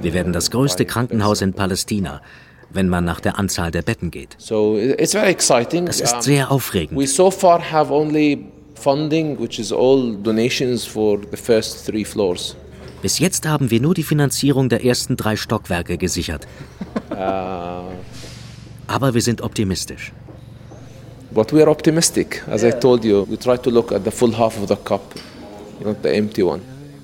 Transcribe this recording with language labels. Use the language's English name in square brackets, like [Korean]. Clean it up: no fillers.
[German] Wir werden das größte Krankenhaus in Palästina, wenn man nach der Anzahl der Betten geht. [English] So it's very exciting. [German] Das ist sehr aufregend. [English] We so far have only funding, which is all donations for the first 3 floors. [German] Bis jetzt haben wir nur die Finanzierung der ersten 3 Stockwerke gesichert. Aber wir sind optimistisch. [English] But we are optimistic. As yeah. I told you, we try to look at the full half of the cup, not the empty one. Yeah.